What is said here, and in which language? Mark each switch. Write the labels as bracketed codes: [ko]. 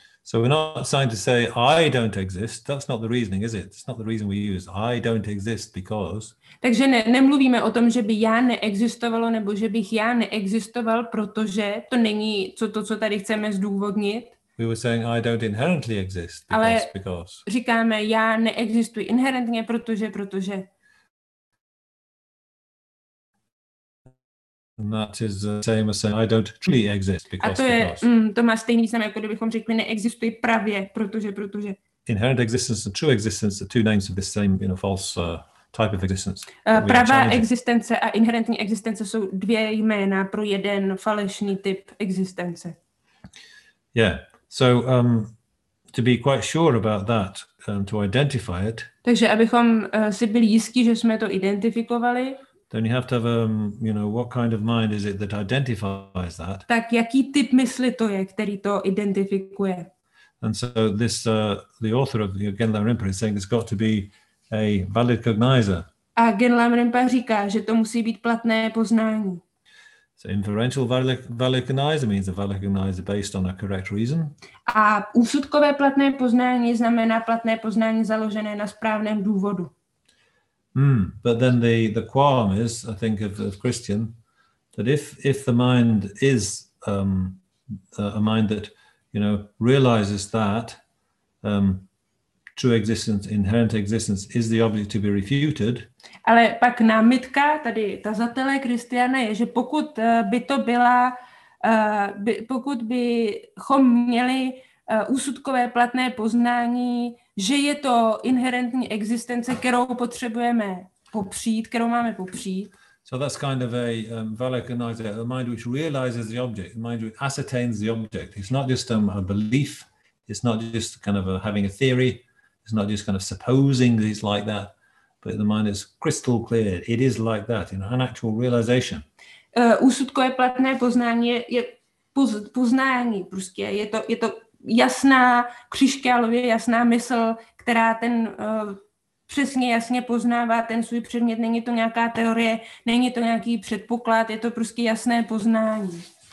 [en] So we're not trying to say I don't exist. That's not the reasoning, is it? It's not the reason we use I don't exist because. [cs] Takže nemluvíme o tom, že by já neexistovalo nebo že bych já neexistoval, protože to není co tady chceme zdůvodnit. [en] We were saying I don't inherently exist because. [cs] Ale říkáme já neexistuji inherentně, protože. [en] And that is the same as saying I don't truly exist because. [cs] A to je, to má stejný znamení, jako kdybychom řekli neexistuji právě, protože. [en] Inherent existence and true existence are two names of the same, you know, false type of existence. [cs] Pravá existence a inherentní existence jsou dvě jména pro jeden falešný typ existence. [en] Yeah. So to be quite sure about that, to identify it. [cs] Takže abychom si byli jistí, že jsme to identifikovali. [en] Then you have to have, you know, what kind of mind is it that identifies that? [cs] Tak jaký typ mysli to je, který to identifikuje? [en] And so this, the author of Genlam Rinpa is saying it's got to be a valid cognizer. [cs] A Genlam Rinpa říká, že to musí být platné poznání. [en] So inferential valid cognizer means a valid cognizer based on a correct reason. [cs] A úsudkové platné poznání znamená platné poznání založené na správném důvodu. [en] But then the qualm is, I think, of Christian, that if the mind is a mind that, you know, realizes that true existence, inherent existence, is the object to be refuted. [cs] Ale pak námitka tady tazatele Kristiana je, že pokud by to byla, pokud bychom měli úsudkové platné poznání, že je to inherentní existence, kterou potřebujeme popřít, kterou máme popřít. [en] So that's kind of a valakanizer, a mind which realizes the object, a mind which ascertains the object. It's not just a belief, it's not just kind of having a theory, it's not just kind of supposing that it's like that, but the mind is crystal clear, it is like that, you know, an actual realization. [cs] Úsudkové platné poznání je poznání, prostě je to jasná, křišťálově jasná mysl, která ten přesně jasně poznává ten svůj předmět. Není to nějaká teorie, není to nějaký předpoklad, je to prostě jasné poznání.